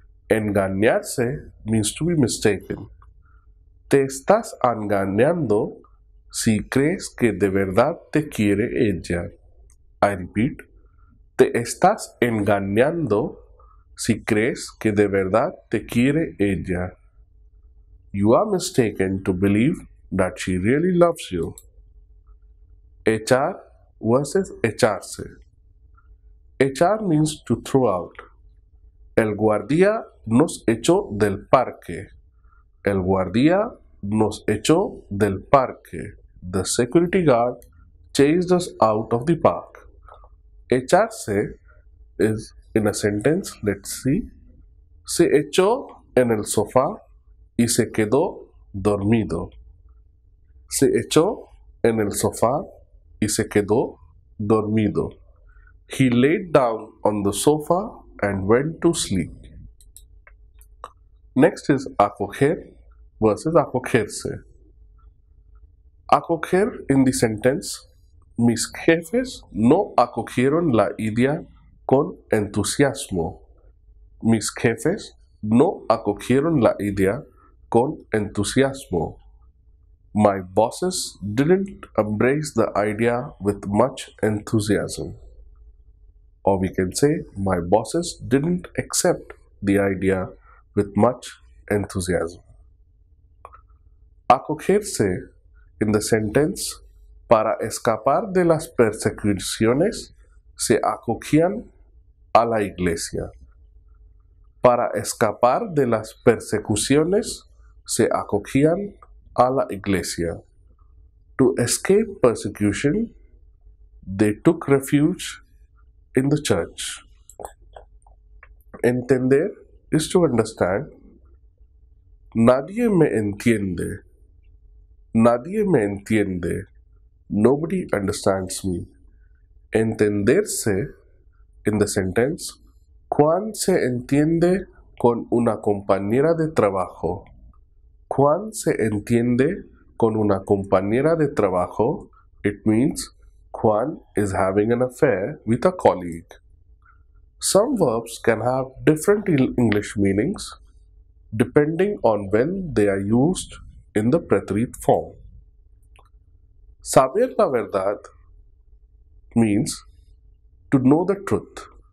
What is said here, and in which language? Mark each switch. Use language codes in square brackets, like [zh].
[en] Engañarse means to be mistaken. [es] Te estás engañando si crees que de verdad te quiere ella. [en] I repeat. [es] Te estás engañando si crees que de verdad te quiere ella. [en] You are mistaken to believe that she really loves you. Echar versus echarse. Echar means to throw out. [es] El guardia nos echó del parque. El guardia nos echó del parque. [en] The security guard chased us out of the park. Echarse is in a sentence. Let's see. [es] Se echó en el sofá y se quedó dormido. Se echó en el sofá y se quedó dormido. [en] He laid down on the sofa and went to sleep. Next is [es] acoger versus acogerse. Acoger [en] in the sentence, [es] mis jefes no acogieron la idea con entusiasmo. Mis jefes no acogieron la idea con entusiasmo. [en] My bosses didn't embrace the idea with much enthusiasm. Or we can say, my bosses didn't accept the idea with much enthusiasm. [es] Acogerse [en] in the sentence, [es] para escapar de las persecuciones, se acogían a la iglesia. Para escapar de las persecuciones, se acogían a la iglesia. [en] To escape persecution, they took refuge in the church. Entender is to understand. [es] Nadie me entiende. [en] Nadie me entiende. Nobody understands me. Entenderse in the sentence. [es] Juan se entiende con una compañera de trabajo. Juan se entiende con una compañera de trabajo. [en] It means Juan is having an affair with a colleague. Some verbs can have different English meanings depending on when they are used in the pretérito form. [es] Saber la verdad [en] means to know the truth.